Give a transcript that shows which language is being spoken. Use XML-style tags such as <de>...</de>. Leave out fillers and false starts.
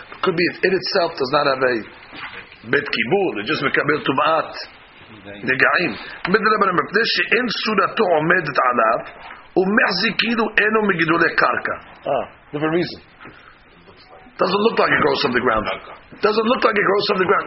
<en>Could be it itself does not have a bet kibul. It just</en> <he>mekabel tuma'at nega'im. Midrabbanan mepnei she'en sudato omedet alav ומחזיקינו אינו מגידולי קרקע.</he> <en>Different reason. Doesn't look like it grows from the ground. Doesn't look like it grows from the ground.</en>